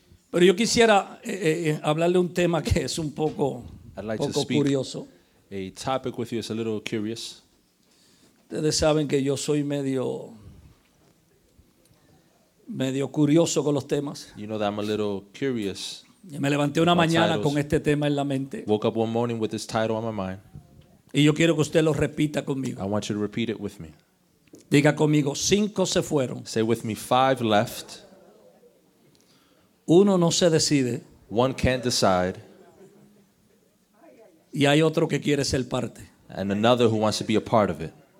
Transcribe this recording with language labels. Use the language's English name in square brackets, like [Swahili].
[Spanish] Pero yo quisiera hablarle un tema que es un poco, poco curioso. [English] A topic with you is a little curious. [Spanish] Ustedes saben que yo soy medio curioso con los temas. [English] You know that I'm a little curious. [Spanish] Me levanté una mañana con este tema en la mente. [English] Woke up one morning with this title on my mind. [Spanish] Y yo quiero que usted lo repita conmigo. [English] I want you to repeat it with me. [Spanish] Diga conmigo, cinco se fueron. [English] Say with me, five left. [Spanish] Uno no se decide. [English] One can't decide. [Spanish] Y hay otro que quiere ser parte. [English] And another who wants to be a part of it.